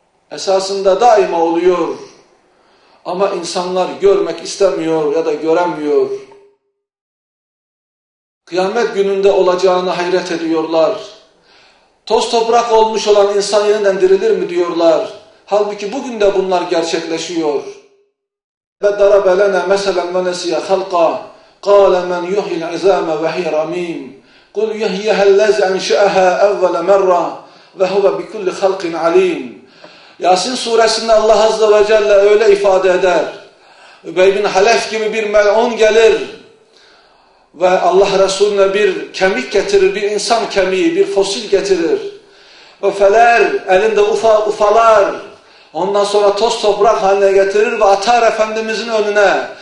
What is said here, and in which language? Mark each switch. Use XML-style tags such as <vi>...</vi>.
<tr>Esasında daima oluyor. Ama insanlar görmek istemiyor ya da göremiyor. Kıyamet gününde olacağını hayret ediyorlar. Toz toprak olmuş olan insan yeniden dirilir mi diyorlar. Halbuki bugün de bunlar gerçekleşiyor.</tr> <ar>وَدَّرَ بَلَنَا مَسَلًا وَنَسِيَ خَلْقًا قَالَ مَنْ يُحْيِ الْعِزَامَ وَهِيَ رَمِيمٌ قُلْ يُحْيِيهَا الَّذِي أَنْشَأَهَا اَوَّلَ مَرَّةٍ وَهُوَ بِكُلِّ خَلْقٍ عَلِيمٌ</ar> <tr>Yasin suresinde Allah Azze ve Celle öyle ifade eder. Übey bin Halef gibi bir mel'un gelir. Ve Allah Resulüne bir kemik getirir, bir insan kemiği, bir fosil getirir. Ve feler, elinde ufalar. Ondan sonra toz toprak haline getirir ve atar Efendimizin önüne.</tr>